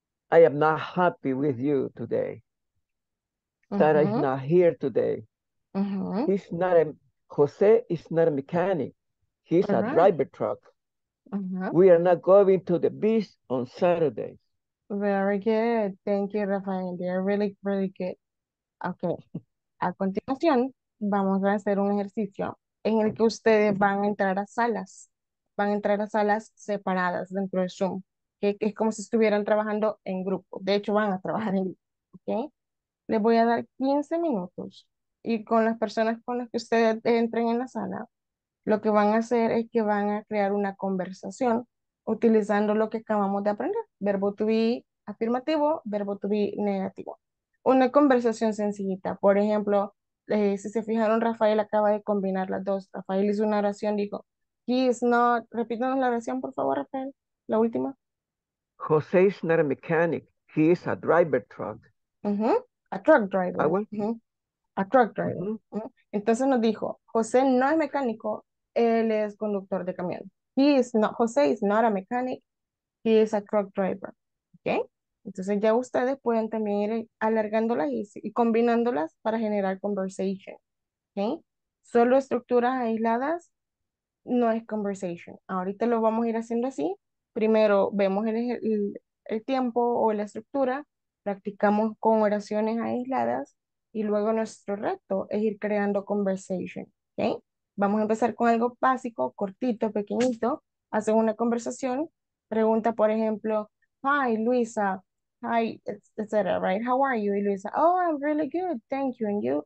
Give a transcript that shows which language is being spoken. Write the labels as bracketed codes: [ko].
[en] I am not happy with you today. Sara mm-hmm. is not here today. Mm-hmm. He's not a Jose is not a mechanic. He's all a right. Driver truck. Mm-hmm. We are not going to the beach on Saturday. Very good. Thank you, Rafael. They are really, really good. Okay. [es] A continuación, vamos a hacer un ejercicio en el que ustedes van a entrar a salas. Van a entrar a salas separadas dentro de Zoom. Que es como si estuvieran trabajando en grupo. De hecho, van a trabajar en grupo. Okay. Les voy a dar 15 minutos y con las personas con las que ustedes entren en la sala, lo que van a hacer es que van a crear una conversación utilizando lo que acabamos de aprender. Verbo to be afirmativo, verbo to be negativo. Una conversación sencillita. Por ejemplo, si se fijaron, Rafael acaba de combinar las dos. Rafael hizo una oración, dijo, [en] he is not, [es] repítanos la oración, por favor, Rafael, la última. [en] Jose is not a mechanic, he is a driver truck. Uh-huh. A truck driver. Uh-huh. A truck driver. Uh-huh. [es] Entonces nos dijo, José no es mecánico, él es conductor de camión. [en] He is not, José is not a mechanic, he is a truck driver. [es] ¿Okay? Entonces ya ustedes pueden también ir alargándolas y combinándolas para generar conversation. ¿Okay? Solo estructuras aisladas no es conversation. Ahorita lo vamos a ir haciendo así. Primero vemos el tiempo o la estructura. Practicamos con oraciones aisladas y luego nuestro reto es ir creando conversation, ¿okay? Vamos a empezar con algo básico, cortito, pequeñito. Hacen una conversación, pregunta por ejemplo, [en] hi Luisa, hi, etc., right? How are you? [es] Y [en] Luisa, oh, I'm really good, thank you, and you?